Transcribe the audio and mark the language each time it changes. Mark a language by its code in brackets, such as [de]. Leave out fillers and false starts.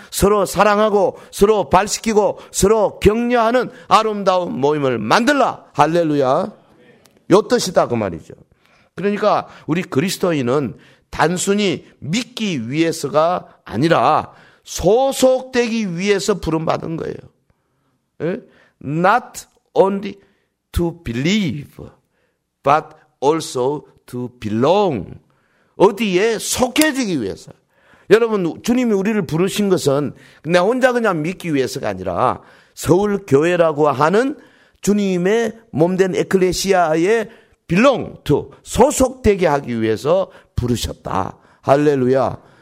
[ko] 서로 사랑하고 서로 발시키고 서로 격려하는 아름다운 모임을 만들라. 할렐루야. 요 뜻이다 그 말이죠. 그러니까 우리 그리스도인은 단순히 믿기 위해서가 아니라 소속되기 위해서 부름받은 거예요. [en] Not only to believe, but also to belong. [ko] 어디에 속해지기 위해서. 여러분, 주님이 우리를 부르신 것은 내 혼자 그냥 믿기 위해서가 아니라 서울교회라고 하는 주님의 몸된 에클레시아에 [en] belong to, [ko] 소속되게 하기 위해서 부르셨다. 할렐루야.